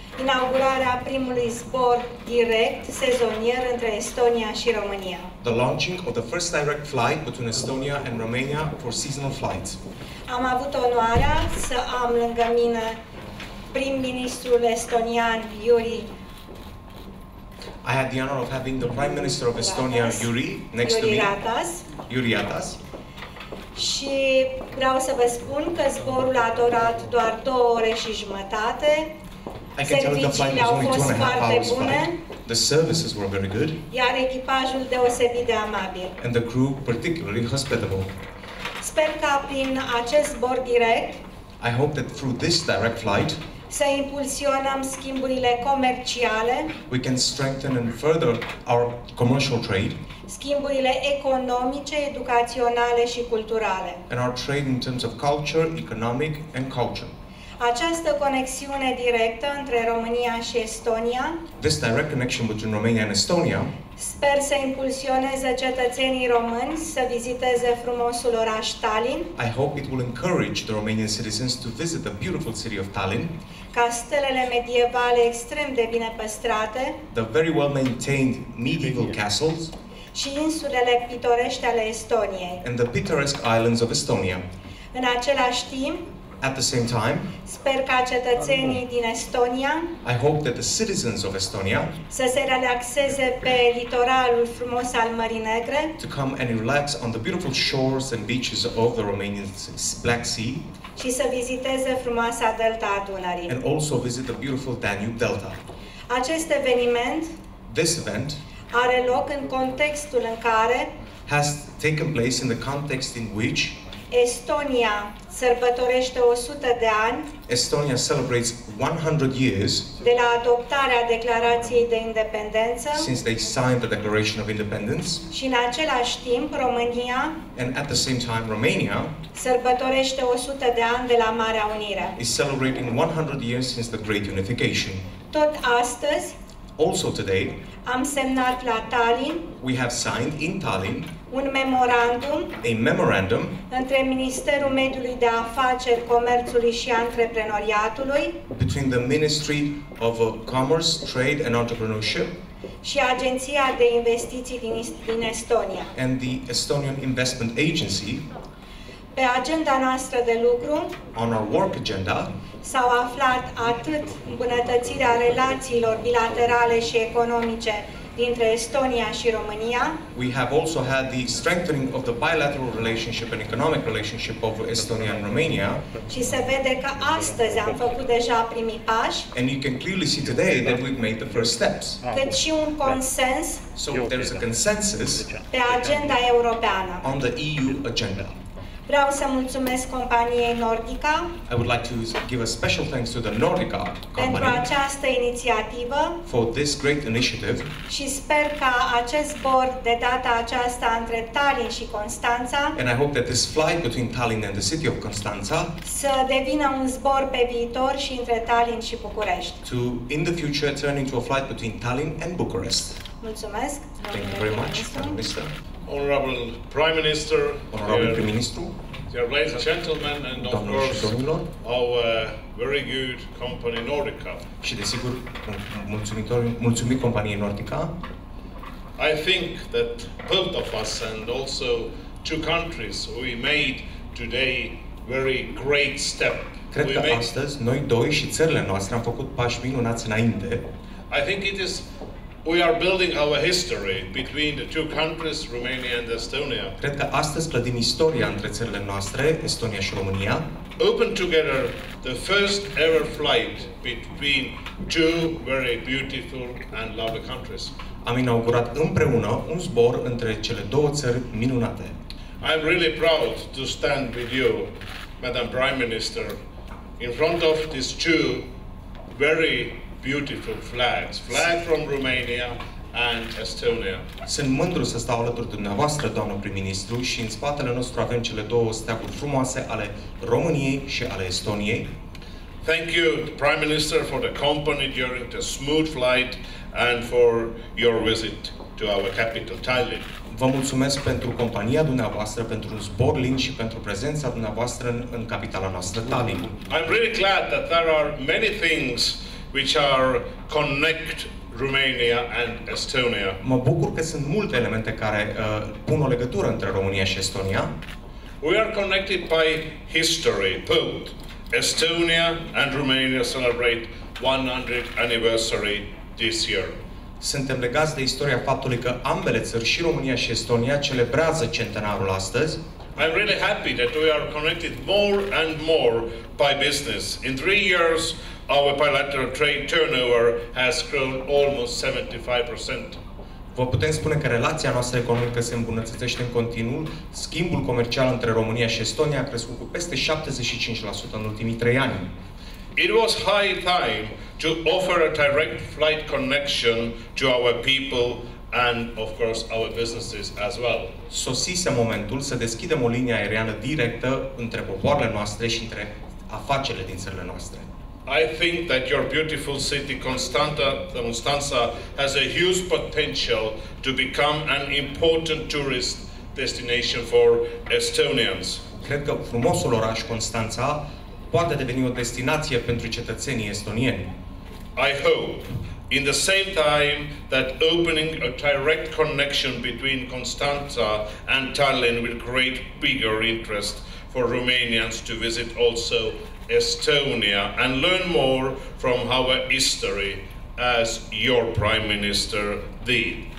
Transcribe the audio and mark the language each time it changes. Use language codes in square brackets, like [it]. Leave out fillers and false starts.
[ro] Inaugurarea primului zbor direct sezonier între Estonia și România. [en] The launching of the first direct flight between Estonia and Romania for seasonal flights. [ro] Am avut onoarea să am lângă mine prim-ministrul estonian Iuri. [en] I had the honor of having the Prime Minister of Estonia, Yuri, next Yuri to me. Ratas. Yuri Ratas. [ro] Și vreau să vă spun că zborul a durat doar 2 ore și jumătate. Serviciile au fost foarte bune. [en] Flight. The services were very good. [ro] Iar echipajul deosebit de amabil. [en] And the crew particularly hospitable. [ro] Sper că prin acest zbor direct, [en] I hope that through this direct flight, [ro] să impulsionăm schimburile comerciale. [en] We can strengthen and further our commercial trade. [ro] Schimburile economice, educaționale și culturale. [en] And our trade in terms of culture, economic and culture. [ro] Această conexiune directă între România și Estonia. [en] This direct connection between Romania and Estonia. [ro] Sper să impulsioneze cetățenii români să viziteze frumosul oraș Tallinn. [en] I hope it will encourage the Romanian citizens to visit the beautiful city of Tallinn. [ro] Castelele medievale extrem de bine păstrate. [en] The very well maintained medieval castles. [ro] Și insulele pitorești ale Estoniei. [en] And the picturesque islands of Estonia. [ro] În același timp, [en] at the same time, [ro] sper ca cetățenii din Estonia, [en] I hope that the citizens of Estonia, [ro] să se relaxeze pe litoralul frumos al Mării Negre, [en] to come and relax on the beautiful shores and beaches of the Romanian Black Sea, [ro] și să viziteze frumoasa delta a Dunării, [en] and also visit the beautiful Danube Delta. [ro] Acest eveniment, [en] this event, [ro] are loc în contextul în care, [en] has taken place in the context in which, [ro] Estonia sărbătorește 100 de ani. [en] Estonia celebrates 100 years. [ro] De la adoptarea declarației de independență. [en] Since they signed the Declaration of Independence. [ro] Și în același timp România. [en] And at the same time Romania. [ro] Sărbătorește 100 de ani de la Marea Unire. [en] Is celebrating 100 years since the Great Unification. [ro] Tot astăzi. [en] Also today. [ro] Am semnat la Tallinn. [en] We have signed in Tallinn. [ro] Un memorandum, [en] a memorandum [ro] între Ministerul Mediului de Afaceri, Comerțului și Antreprenoriatului, [en] between the Ministry of Commerce, Trade and Entrepreneurship [ro] și Agenția de Investiții din Estonia. [en] And the Estonian Investment Agency. [ro] Pe agenda noastră de lucru, [en] on our work agenda, [ro] s-au aflat atât îmbunătățirea relațiilor bilaterale și economice dintre Estonia și România. [en] We have also had the strengthening of the bilateral relationship and economic relationship of Estonia and Romania. [ro] Și se vede că astăzi am făcut deja primii pași. [en] And you can clearly see today that we've made the first steps. [ro] Deci un consens. [en] So there's a consensus. [ro] Pe agenda europeană. [en] On the EU agenda. [ro] Vreau să mulțumesc companiei Nordica. [en] I would like to give a special thanks to the Nordica company [ro] pentru această inițiativă. [en] For this great initiative. [ro] Și sper ca acest zbor de data aceasta între Tallinn și Constanța. [en] And I hope that this flight between Tallinn and the city of Constanța [ro] să devină un zbor pe viitor și între Tallinn și București. [en] To in the future turn into a flight between Tallinn and Bucharest. [ro] Mulțumesc. [en] Thank you very much, Mr. Honorable Prime Minister, Honorable Prime Minister, ladies and gentlemen, and of course, our very good company Nordica. [ro] Și desigur, mulțumim companiei Nordica. [en] I think that both of us and also two countries, we made today very great step. [ro] Cred că astăzi, noi doi și țările noastre am făcut pași minunați înainte. [en] I think it is. We are building our history between the two countries, Romania and Estonia. [ro] Cred că astăzi clădim istoria între țările noastre, Estonia și România. [en] Open together the first ever flight between two very beautiful and lovely countries. [ro] Am inaugurat împreună un zbor între cele două țări minunate. [en] I'm really proud to stand with you, Madam Prime Minister, in front of these two very beautiful flags, flag from Romania and Estonia. [ro] Sunt mândru să stau alături dumneavoastră, doamnă prim-ministru, și în spatele nostru avem cele două steaguri frumoase ale României și ale Estoniei. [en] Thank you, Prime Minister, for the company during the smooth flight and for your visit to our capital Tallinn. [ro] Vă mulțumesc pentru compania dumneavoastră, pentru zbor lin și pentru prezența dumneavoastră în capitala noastră, Tallinn. [en] I'm really glad that there are many things which are connect Romania and Estonia. [ro] Mă bucur că sunt multe elemente care pun o legătură între România și Estonia. [en] We are connected by history, both Estonia and Romania celebrate 100th anniversary this year. [ro] Suntem legați de istoria faptului că ambele țări, și România și Estonia, celebrează centenarul astăzi. [en] I'm really happy that we are connected more and more by business. In 3 years, our bilateral trade turnover has grown almost 75%. [ro] Vă putem spune că relația noastră economică se îmbunătățește în continuu. Schimbul comercial între România și Estonia a crescut cu peste 75% în ultimii 3 ani. [en] It was high time to offer a direct flight connection to our people and, of course, our businesses as well. [ro] Sosise momentul să deschidem o linie aeriană directă între popoarele noastre și între afacerile din țările noastre. [en] I think that your beautiful city Constanța has a huge potential to become an important tourist destination for Estonians. [ro] Cred că frumosul oraș Constanța poate deveni o destinație pentru cetățenii estonieni. [en] I hope in the same time that opening a direct connection between Constanța and Tallinn will create bigger interest for Romanians to visit also Estonia and learn more from our history as your prime minister did.